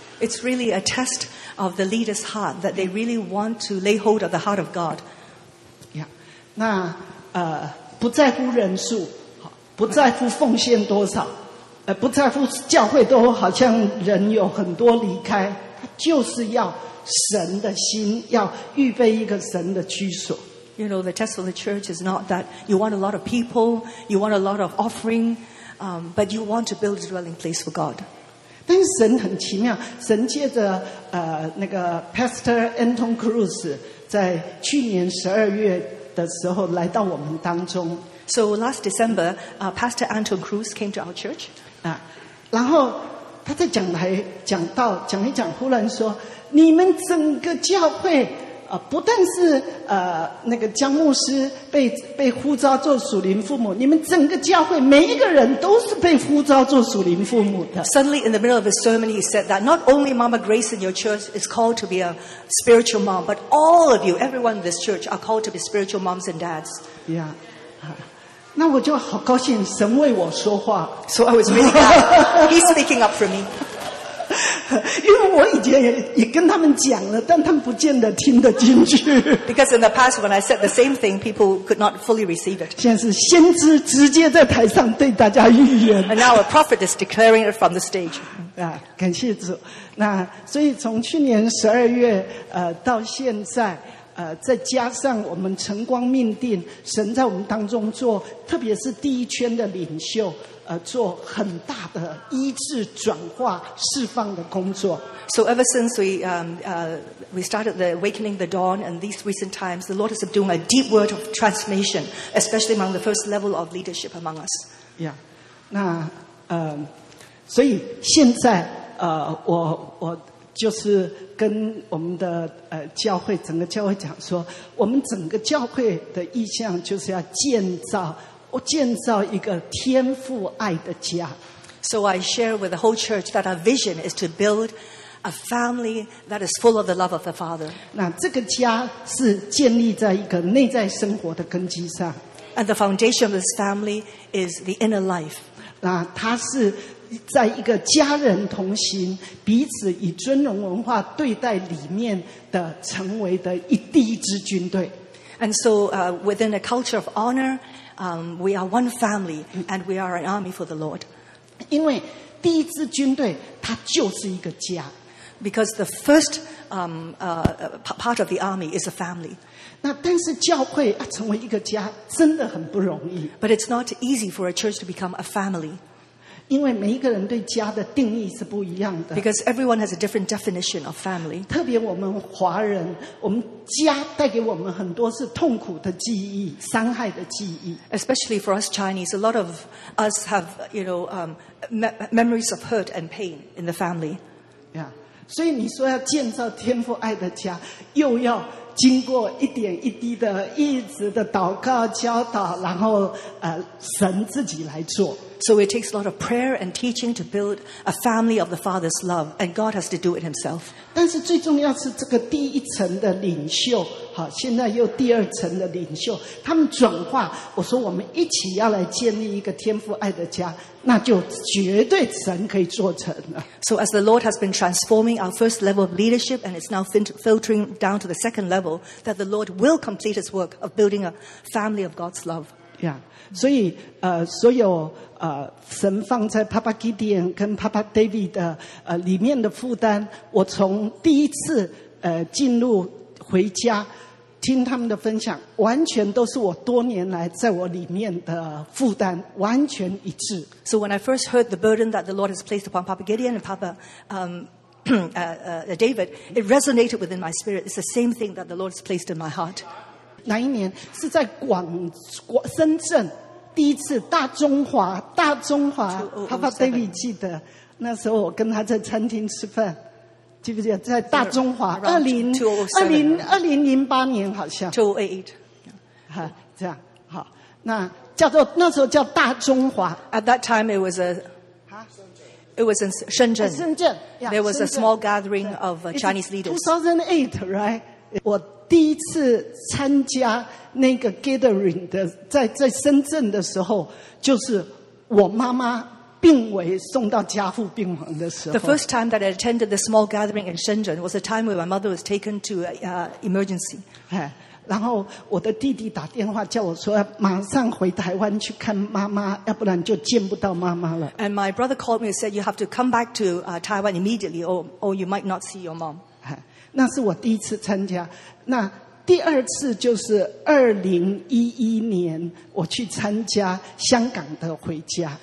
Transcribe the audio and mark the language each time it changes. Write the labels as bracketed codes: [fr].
[en] It's really a test of the leader's heart that they really want to lay hold of the heart of God. Yeah. [zh] 那不在乎人数，不在乎奉献多少，不在乎教会都好像人有很多离开，就是要神的心，要预备一个神的居所。 [en] You know, the test of the church is not that you want a lot of people, you want a lot of offering, but you want to build a dwelling place for God. [zh] 但是神很奇妙，神借着那个 Pastor Anton Cruz 在去年十二月的时候来到我们当中。 [en] So last December, Pastor Anton Cruz came to our church. [zh] 啊，然后他在讲台讲到讲一讲，忽然说：“你们整个教会。” 不但是那个江牧师被呼召做属灵父母，你们整个教会每一个人都是被呼召做属灵父母的。 [en] Suddenly, in the middle of his sermon, he said that not only Mama Grace in your church is called to be a spiritual mom, but all of you, everyone in this church, are called to be spiritual moms and dads. Yeah. [zh] 那我就好高兴，神为我说话。 [en] So I was really glad. He's speaking up for me. [zh] 因为我以前 也跟他们讲了，但他们不见得听得进去。 [en] Because in the past, when I said the same thing, people could not fully receive it. [zh] 现在是先知直接在台上对大家预言。 [en] And now a prophet is declaring it from the stage. [zh] 啊，感谢主。那所以从去年十二月到现在再加上我们晨光命定，神在我们当中做，特别是第一圈的领袖。做很大的医治转化释放的工作。 [en] So ever since we started the Awakening the Dawn in these recent times, the Lord has been doing a deep work of transformation, especially among the first level of leadership among us. Yeah. [zh] 那所以现在我就是跟我们的教会整个教会讲说，我们整个教会的意向就是要建造一个天父爱的家。 [en] So I share with the whole church that our vision is to build a family that is full of the love of the Father. [zh] 那这个家是建立在一个内在生活的根基上。 [en] And the foundation of this family is the inner life. [zh] 那它是在一个家人同行，彼此以尊荣文化对待里面的成为的第一支军队。 [en] And so within a culture of honor,we are one family, and we are an army for the Lord. [zh] 因为第一支军队它就是一个家。 [en] Because the first part of the army is a family. [zh] 那但是教会要成为一个家真的很不容易。 [en] But it's not easy for a church to become a family. [zh] 因为每一个人对家的定义是不一样的。 [en] Because everyone has a different definition of family. [zh] 特别我们华人，我们家带给我们很多是痛苦的记忆，伤害的记忆。 [en] Especially for us Chinese, a lot of us have, you know, memories of hurt and pain in the family. Yeah. [zh] 所以你说要建造天父爱的家，又要经过一点一滴的一直的祷告教导，然后神自己来做。 [en] So it takes a lot of prayer and teaching to build a family of the Father's love, and God has to do it Himself. [zh] 但是最重要是这个第一层的领袖，好，现在又第二层的领袖，他们转化。我说我们一起要来建立一个天父爱的家，那就绝对神可以做成了。 [en] So as the Lord has been transforming our first level of leadership, and it's now filtering down to the second level, that the Lord will complete His work of building a family of God's love. Yeah. [zh] 所以所有神放在 Papa Gideon 跟 Papa David 的里面的负担，我从第一次进入回家听他们的分享，完全都是我多年来在我里面的负担，完全一致。 [en] So when I first heard the burden that the Lord has placed upon Papa Gideon and Papa David, it resonated within my spirit. It's the same thing that the Lord has placed in my heart. [zh] 哪一年是在深圳第一次大中华 Papa David 记得那时候我跟他在餐厅吃饭，记不记得在大中华2008年好像 2008、这样好，那叫做那时候叫大中华。 [en] At that time it was a It was in Shenzhen, Shenzhen. Yeah, There was Shenzhen. A small gathering of Chinese leaders. 2008 right? [zh] 我第一次参加那个 gathering 的，在深圳的时候，就是我妈妈 B 病危送到加护病房的时候。 [en] The first time that I attended the small gathering in Shenzhen was the time when my mother was taken to emergency. [zh] 然后我的弟弟打电话叫我说要马上回台湾去看妈妈，要不然就见不到妈妈了。 [en] And my brother called me and said you have to come back to Taiwan immediately, or you might not see your mom. [zh] 那是我第一次参加。那第二次就是2011年我去参加香港的回家。